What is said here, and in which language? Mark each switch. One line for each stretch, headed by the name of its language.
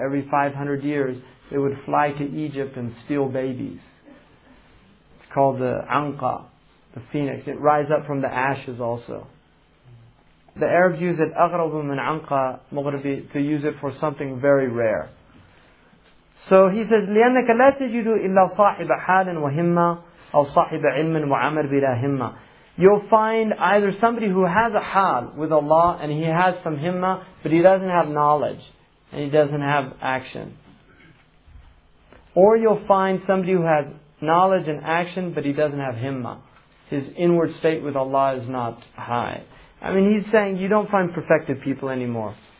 English: Every 500 years, it would fly to Egypt and steal babies. It's called the Anqa, the phoenix. It rises up from the ashes also. The Arabs use it,
Arabic: أَغْرَبُ مِنْ عَنْقَ مُغْرِبِ,
English: to use it for something very rare. So he says,
Arabic: لِأَنَّكَ لَا تَجِدُ إِلَّا صَاحِبَ حَالٍ وَهِمَّا أَوْ صَاحِبَ عِلْمٍ وَعَمَرْ بِلَا هِمَّا.
English: You'll find either somebody who has a hal with Allah and he has some himma, but he doesn't have knowledge and he doesn't have action. Or you'll find somebody who has knowledge and action, but he doesn't have himma. His inward state with Allah is not high. I mean, he's saying you don't find perfected people anymore.